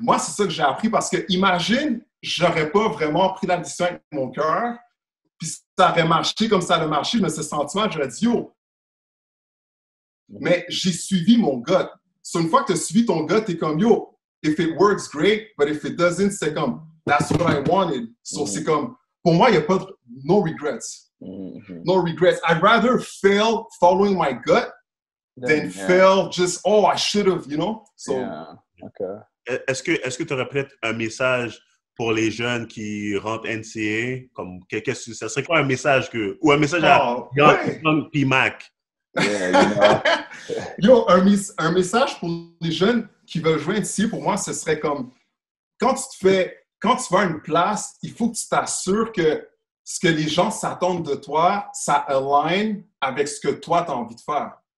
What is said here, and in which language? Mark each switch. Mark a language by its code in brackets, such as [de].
[fr] Moi, c'est ça que j'ai appris, parce que imagine, j'aurais pas vraiment pris la décision avec mon cœur, puis ça aurait marché comme ça a marché, mais ce sentiment, j'aurais dit, yo. Mais j'ai suivi mon gut. So, une fois que tu as suivi ton gut, t'es comme, yo, [en] if it works, great, but if it doesn't, [fr] c'est comme, [en] that's what I wanted. [fr] So, c'est comme, pour moi, il n'y a pas de, [en] no regrets. Mm-hmm. No regrets. I'd rather fail following my gut than fail just, oh, I should have, you know? So, yeah. Okay. [fr] Est-ce que tu aurais peut-être un message pour les jeunes qui rentrent NCAA? Comme, qu'est-ce que ça serait, quoi, un message que, ou un message à [en] Young PMAC? Yeah, you know. [fr] Yo, un message pour les jeunes qui veulent jouer NCAA, pour moi, ce serait comme, quand tu vas à une place, il faut que tu t'assures que ce que les gens s'attendent de toi, ça align avec ce que toi, tu as envie de faire.